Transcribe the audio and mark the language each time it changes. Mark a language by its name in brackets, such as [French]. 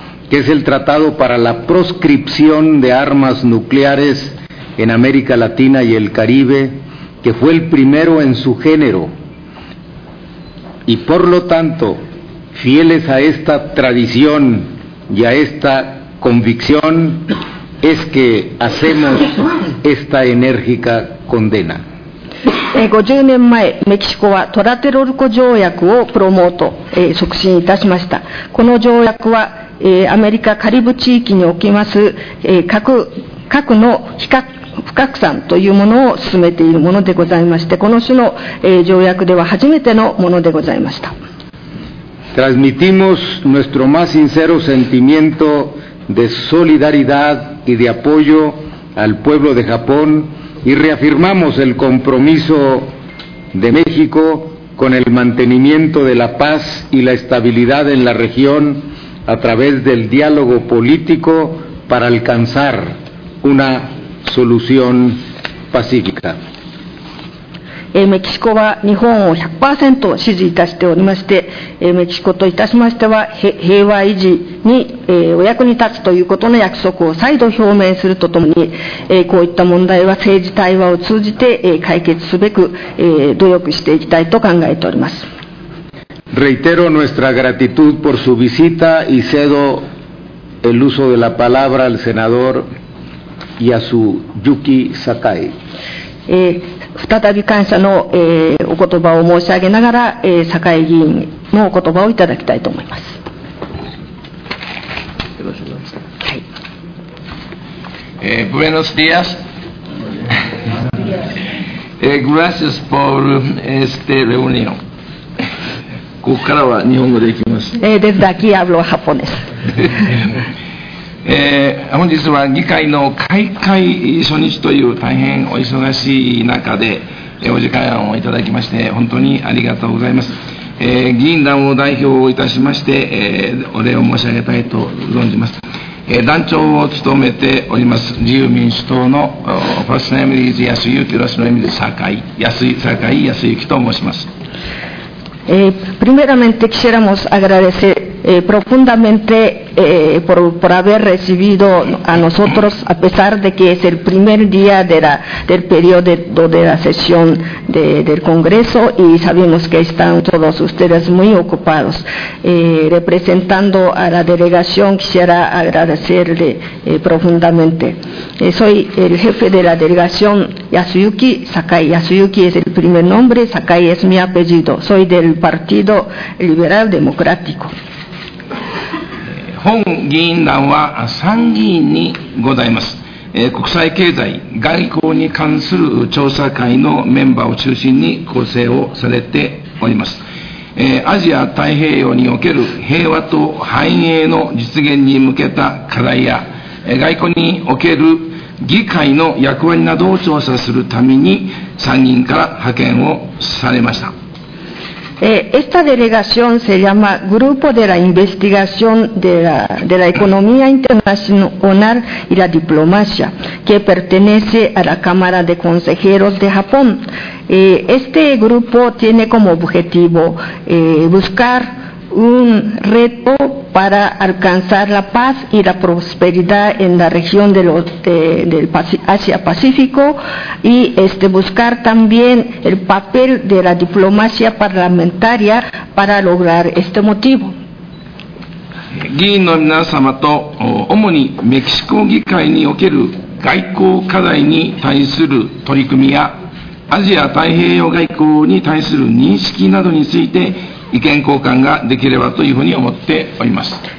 [Spanish] Que es el tratado para la proscripción de armas nucleares en América Latina y el Caribe, que fue el primero en su género. Y por lo tanto, fieles a esta tradición y a esta convicción, es que hacemos esta enérgica condena. [Japanese] 50年前メキシコはトラテロルコ条約をプロモート、促進いたしました。この条約は、アメリカカリブ地域におきます、核の不拡散というものを進めているものでございまして、この種の、条約では初めてのものでございました。 [Spanish] Transmitimos nuestro más sincero sentimiento de solidaridad y de apoyo al pueblo de Japóny reafirmamos el compromiso de México con el mantenimiento de la paz y la estabilidad en la región a través del diálogo político para alcanzar una solución pacífica. [Japanese] メキシコは日本を 100% 支持いたしておりまして、メキシコといたしましては平和維持に、お役に立つということの約束を再度表明するとともに、こういった問題は政治対話を通じて、解決すべく、努力していきたいと考えております。 [Spanish] Reitero nuestra gratitud por su visita y cedo el uso de la palabra al senador y a su Yuki Sakai. [Japanese] 再び感謝の、お言葉を申し上げながら、坂井議員のお言葉をいただきたいと思います。よろしくお願いします。 [Spanish] はい、Buenos días. gracias por esta reunión. [Japanese] ここからは日本語でいきます。 [Spanish] Desde aquí hablo japonés. [Japanese] 本日は議会の開会初日という大変お忙しい中でお時間をいただきまして本当にありがとうございます。議員団を代表いたしまして、お礼を申し上げたいと存じます。団長を務めております自由民主党のファーストネームリーズ安井幸、ロスの意味で坂井康幸と申します。 [Spanish] Primeramente quisiéramos agradecer profundamente por haber recibido a nosotros, a pesar de que es el primer día de la, del periodo de la sesión de, del Congreso, y sabemos que están todos ustedes muy ocupados. Representando a la delegación, quisiera agradecerle profundamente. Soy el jefe de la delegación, Yasuyuki Sakai. Yasuyuki es el primer nombre, Sakai es mi apellido. Soy del Partido Liberal Democrático. [Japanese] 本議員団は参議院にございます。国際経済、外交に関する調査会のメンバーを中心に構成をされております。アジア太平洋における平和と繁栄の実現に向けた課題や、外交における議会の役割などを調査するために参議院から派遣をされました。 [Spanish] Esta delegación se llama Grupo de la Investigación de la Economía Internacional y la Diplomacia, que pertenece a la Cámara de Consejeros de Japón. Este grupo tiene como objetivo buscar un reto para alcanzar la paz y la prosperidad en la región de los, del Asia-Pacífico, y buscar también el papel de la diplomacia parlamentaria para lograr este motivo. [Japanese] 議員の皆様と主にメキシコ議会における外交課題に対する取り組みやアジア太平洋外交に対する認識などについて意見交換ができればというふうに思っております。